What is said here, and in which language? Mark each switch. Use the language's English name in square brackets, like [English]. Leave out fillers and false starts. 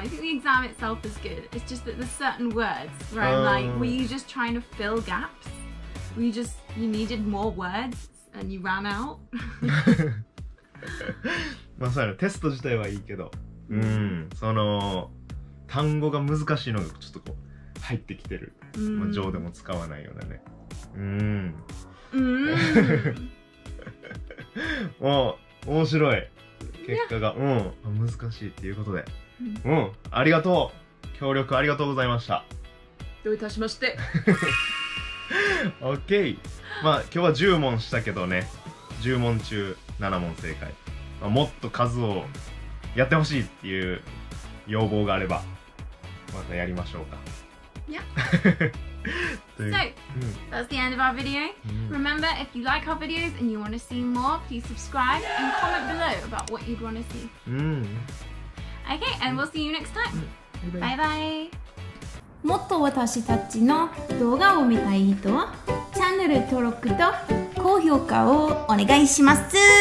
[English] I think the exam itself is good. It's just that there's certain words where I'm like, were you just trying to fill gaps? Were you just, you needed more words and you ran out? [Japanese] まあそうやろ、テスト自体はいいけど、うん、その単語が難しいのがちょっとこう入ってきてる、 mm. まあ、上でも使わないようなね、うん、 mm. お面白い結果が、yeah. うん、難しいっていうことで、mm. うん、ありがとう、協力ありがとうございました、どういたしまして OK、 まあ今日は10問したけどね、10問中7問正解、まあ、もっと数をやってほしいっていう要望があればまたやりましょうか、 [English] Yeah. So, that's the end of our video. Remember, if you like our videos and you want to see more, please subscribe and comment below about what you'd want to see. Okay, and we'll see you next time. Bye bye. [Japanese] もっと私たちの動画を見たい人は、チャンネル登録と高評価をお願いします。